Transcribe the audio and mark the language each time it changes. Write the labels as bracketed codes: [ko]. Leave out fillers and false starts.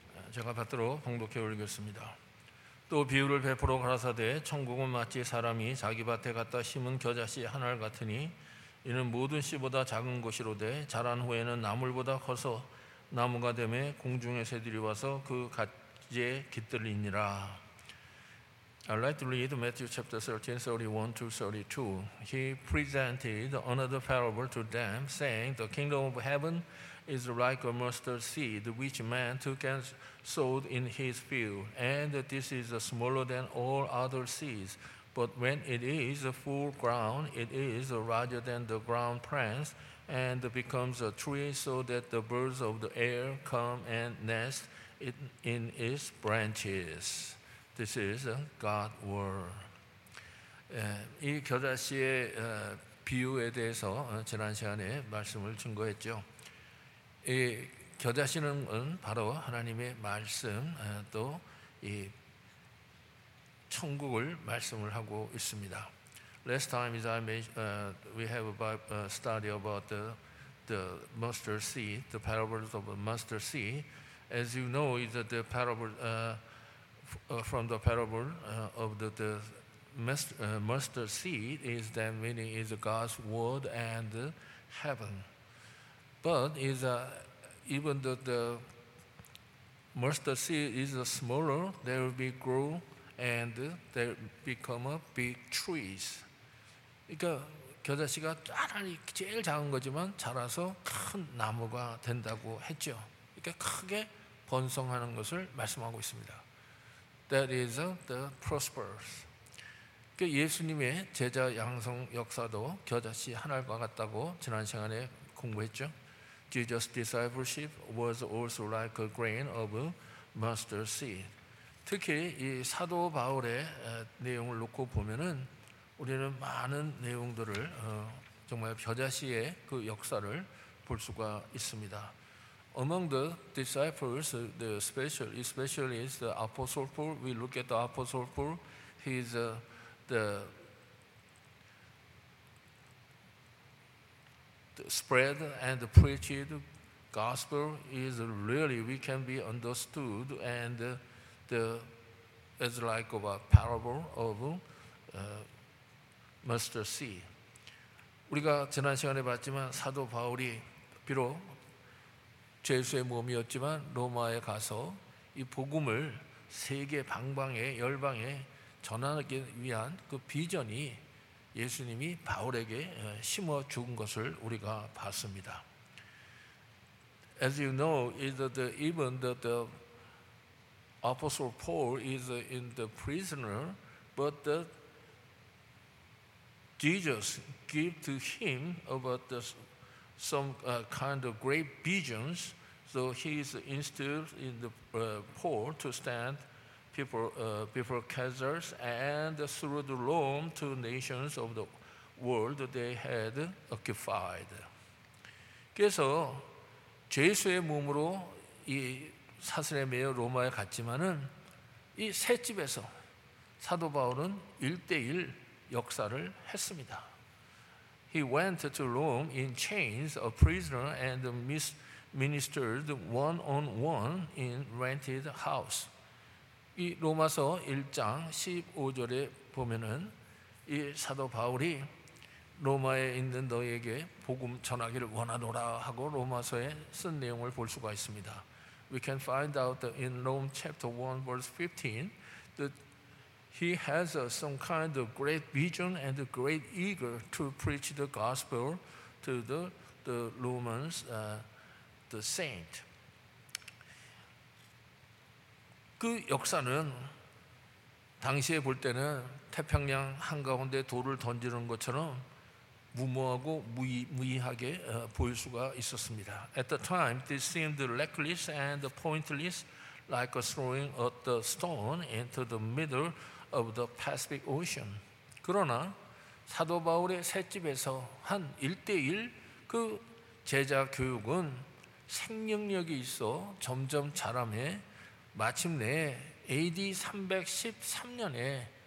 [ko] 제가 받도록 봉독해 올리겠습니다. 또 비유를 베풀어 가라사대 천국은 마치 사람이 자기 밭에 갖다 심은 겨자씨 하나를 같으니 이는 모든 씨보다 작은 것이로되 자란 후에는 나물보다 커서 나무가 되매 공중의 새들이 와서 그 가지에 깃들리니라. [en] I'd like to read Matthew chapter 13, 31 to 32. He presented another parable to them, saying, The kingdom of heaven is like a mustard seed, which man took and sowed in his field. And this is smaller than all other seeds. But when it is full grown, it is larger than the ground plants, and becomes a tree so that the birds of the air come and nest in its branches. This is God's word. [ko] 이 겨자씨의 비유에 대해서 지난 시간에 말씀을 증거했죠. 이 겨자씨는 바로 하나님의 말씀 또 이 천국을 말씀을 하고 있습니다. [en] Last time, as I mentioned, we have a study about the mustard seed, the parables of the mustard seed. As you know, is the parable. From the parable of the mustard seed is that meaning is God's word and heaven. But is even the mustard seed is smaller, there will be grow and there become a big trees. [ko] 그러니까 겨자씨가 짜란히 제일 작은 거지만 자라서 큰 나무가 된다고 했죠. 그러니까 크게 번성하는 것을 말씀하고 있습니다. [en] That is the prosperous. [ko] 그 예수님의 제자 양성 역사도 겨자씨 하나와 같다고 지난 시간에 공부했죠. [en] Jesus' discipleship was also like a grain of mustard seed. [ko] 특히 이 사도 바울의 내용을 놓고 보면은 우리는 많은 내용들을 정말 겨자씨의 그 역사를 볼 수가 있습니다. [en] Among the disciples, the special, especially is the Apostle Paul. We look at the Apostle Paul. He is the spread and preached gospel is really we can be understood and the as like of a parable of mustard seed. [ko] 우리가 지난 시간에 봤지만 사도 바울이 비록 죄수의 몸이었지만 로마에 가서 이 복음을 세계 방방에 열방에 전하기 위한 그 비전이 예수님이 바울에게 심어 준 것을 우리가 봤습니다. [en] As you know, even the Apostle Paul is in the prisoner, but the Jesus gave to him about the, some kind of great visions. So he is instilled in the Paul to stand before Caesars and through the Rome to nations of the world they had occupied. [ko] 그래서 죄수의 몸으로 이 사슬에 매여 로마에 갔지만은 이 새집에서 사도 바울은 1대1 역사를 했습니다. [en] He went to Rome in chains, a prisoner, and ministered one-on-one in rented house. [ko] 이 로마서 1장 15절에 보면은 이 사도 바울이 로마에 있는 너에게 복음 전하기를 원하노라 하고 로마서에 쓴 내용을 볼 수가 있습니다. [en] We can find out in Rome chapter 1 verse 15 that he has some kind of great vision and great eager to preach the gospel to the Romans. The saint. [ko] 그 역사는 당시에 볼 때는 태평양 한가운데 돌을 던지는 것처럼 무모하고 무의하게 보일 수가 있었습니다. [en] At the time, this seemed reckless and pointless, like throwing a stone into the middle of the Pacific Ocean. [ko] 그러나 사도 바울의 새집에서 한 1대1 그 제자 교육은 생명력이 있어 점점 자라매 마침내 AD 313년에